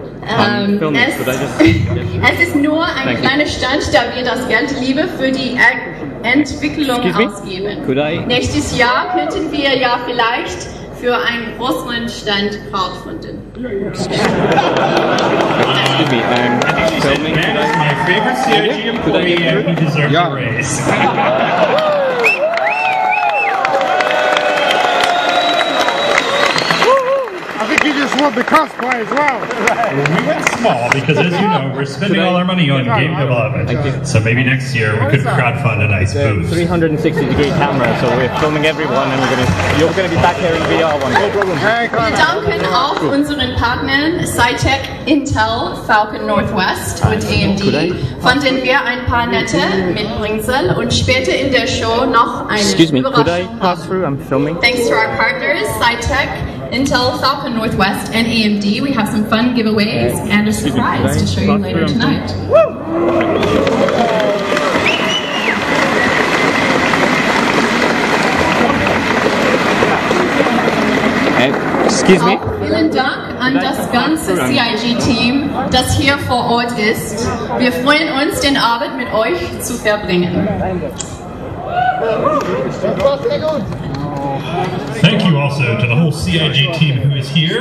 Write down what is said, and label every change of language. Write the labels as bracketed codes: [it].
[de] Es ist nur ein kleiner Stand, da wir das Geld lieber für die Entwicklung ausgeben. [en] Could I? [de] Nächstes Jahr könnten wir ja vielleicht für einen Russlandstand crowdfunden. [en] Excuse me, I'm filming. That is my favorite CIG employee, and he deserves a raise. The cosplay as well. We went small because, as you know, we're spending all our money on game development. So maybe next year we could crowdfund a nice booth. 360-degree camera, so we're filming everyone, and you're going to be back here in VR one day. [de] Wir danken auch unseren Partnern SciTech, Intel, Falcon Northwest und AMD. Von denen wir ein paar nette Mitbringsel und später in der Show noch eine Überraschung. [en] Could I pass through? I'm filming. Thanks to our partners, SciTech, Intel, Falcon Northwest, and AMD. We have some fun giveaways and a surprise to show you later tonight. Excuse me. [de] Vielen Dank an das ganze CIG-Team, das hier vor Ort ist. Wir freuen uns, den Abend mit euch zu verbringen. [en] Thank you also to the whole CIG team who is here.